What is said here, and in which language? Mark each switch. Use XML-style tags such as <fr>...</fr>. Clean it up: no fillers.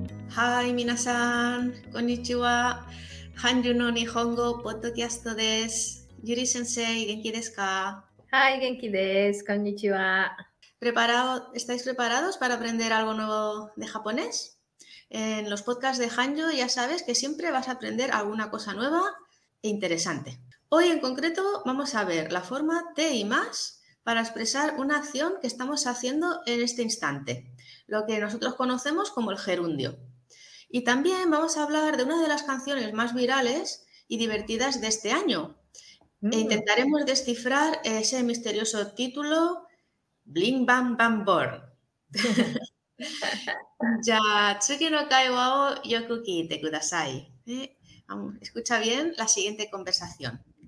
<ja>はい、皆さん、こんにちは。韓流の日本語ポッドキャストです。ゆり先生、元気ですか？はい、元気です。こんにちは。</ja> <es>¿Estáis preparados para aprender algo nuevo de japonés? En los podcasts de Hanyu ya sabes que siempre vas a aprender alguna cosa nueva e interesante. Hoy en concreto vamos a ver la forma te y más para expresar una acción que estamos haciendo en este instante, lo que nosotros conocemos como el gerundio. Y también vamos a hablar de una de las canciones más virales y divertidas de este año. E intentaremos descifrar ese misterioso título, Bling Bam Bam Born.</es> <ja>Ya, 次の会話をよく聞いてください。</ja> <es>Escucha bien la siguiente conversación.</es>